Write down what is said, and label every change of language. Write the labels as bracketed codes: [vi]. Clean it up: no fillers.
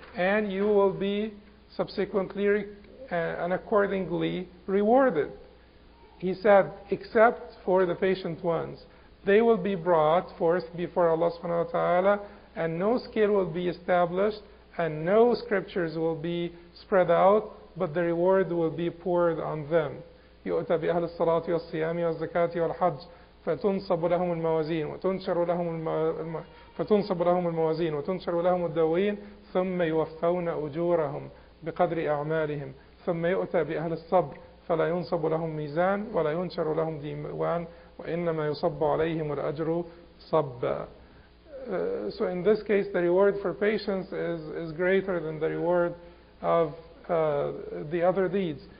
[en] And you will be subsequently and accordingly rewarded. He said, except for the patient ones. They will be brought forth before Allah subhanahu wa ta'ala, and no scale will be established, and no scriptures will be spread out, but the reward will be poured on them. [ar] يؤتى بأهل الصلاة والصيام والزكاة والحج فتنصب لهم الموازين وتنشر لهم فتنصب لهم الموازين وتنشر لهم الدواوين ثم يوفون أجورهم بقدر أعمالهم ثم يؤتى بأهل الصبر فلا ينصب لهم ميزان ولا ينشر لهم ديوان وإنما يصب عليهم الأجر صبا. [en] So in this case, the reward for patience is greater than the reward of the other deeds.